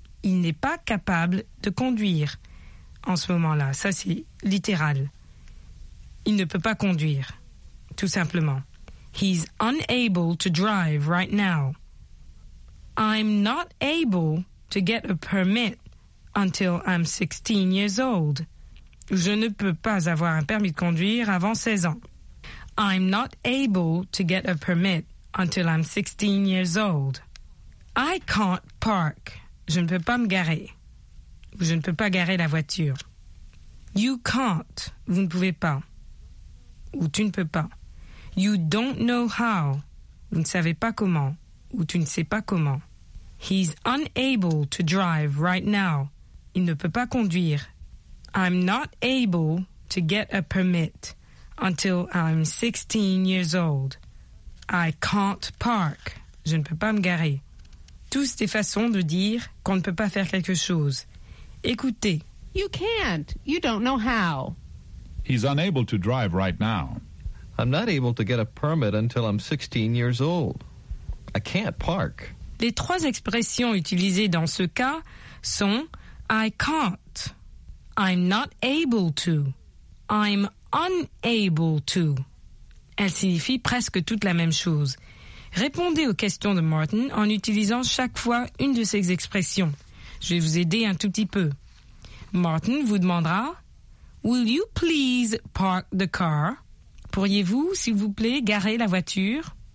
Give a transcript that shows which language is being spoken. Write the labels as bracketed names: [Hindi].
[French] Il n'est pas capable de conduire en ce moment-là. Ça, c'est littéral. Il ne peut pas conduire, tout simplement. [English] He's unable to drive right now. I'm not able to get a permit until I'm 16 years old. [French] Je ne peux pas avoir un permis de conduire avant 16 ans. [English] I'm not able to get a permit until I'm 16 years old. I can't park. [French] Je ne peux pas me garer. Je ne peux pas garer la voiture. [English] You can't. [French] Vous ne pouvez pas. Ou tu ne peux pas. [English] You don't know how. [French] Vous ne savez pas comment. Ou tu ne sais pas comment. [English] He's unable to drive right now. [French] Il ne peut pas conduire. [English] I'm not able to get a permit until I'm 16 years old. I can't park. [French] Je ne peux pas me garer. Tous des façons de dire qu'on ne peut pas faire quelque chose. Écoutez. [English] You can't. You don't know how. He's unable to drive right now. I'm not able to get a permit until I'm 16 years old. I can't park. [French] Les trois expressions utilisées dans ce cas sont [English] I can't. I'm not able to. I'm unable to. [French] Elles signifient presque toutes la même chose. Répondez aux questions de Martin en utilisant chaque fois une de ces expressions. Je vais vous aider un tout petit peu. Martin vous demandera « [English] Will you please park the car? [French] » Pourriez-vous, s'il vous plaît, garer la voiture?